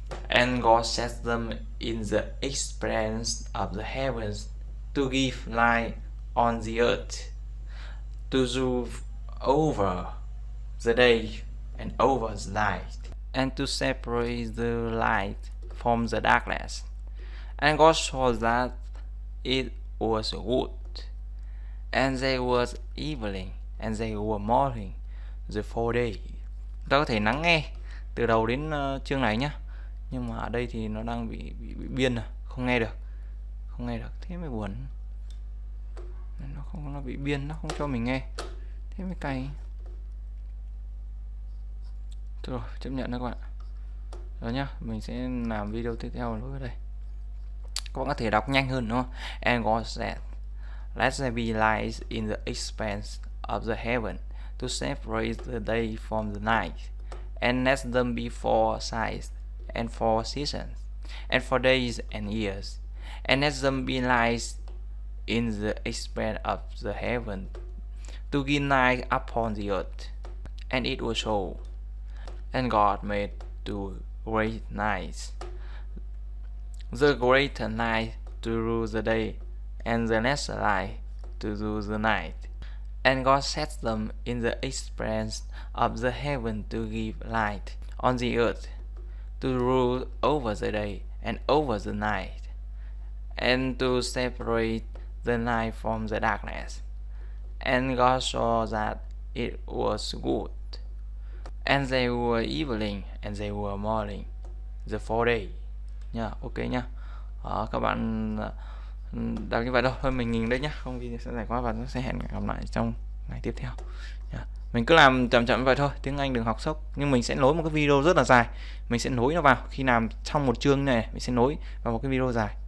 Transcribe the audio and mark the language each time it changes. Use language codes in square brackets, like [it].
[en] And God set them in the expanse of the heavens to give light on the earth, to rule over the day and over the night, and to separate the light from the darkness. And God saw that it was good. And there was evening, and there was morning, the fourth day. [vi] Ta có thể lắng nghe từ đầu đến chương này nhá. Nhưng mà ở đây thì nó đang bị biên à, không nghe được. Không nghe được, thế mới buồn. Nó không, nó bị biên, nó không cho mình nghe. Thế mới cay. Thôi rồi, chấp nhận đó các bạn. Rồi nhá, mình sẽ làm video tiếp theo ở lúc đây. Các bạn có thể đọc nhanh hơn, đúng không? [en] And God said, let there be light in the expanse of the heaven to separate the day from the night, and let them be for signs and for seasons and for days and years, and let them be light in the expanse of the heaven to give light upon the earth, and it was so. And God made two great nights, the greater night to rule the day, and the lesser light to rule the night. And God set them in the expanse of the heaven to give light on the earth, to rule over the day and over the night, and to separate the night from the darkness. And God saw that it was good. And they were evening, and they were morning, the fourth day. [vi] Nha, ok nha. À, các bạn đọc như vậy thôi. Thôi mình nhìn đấy nhá, không thì sẽ dài quá và sẽ hẹn gặp lại trong ngày tiếp theo. Nha. Mình cứ làm chậm chậm vậy thôi, tiếng Anh đừng học sốc. Nhưng mình sẽ nối một cái video rất là dài. Mình sẽ nối nó vào, khi làm xong một chương này, mình sẽ nối vào một cái video dài.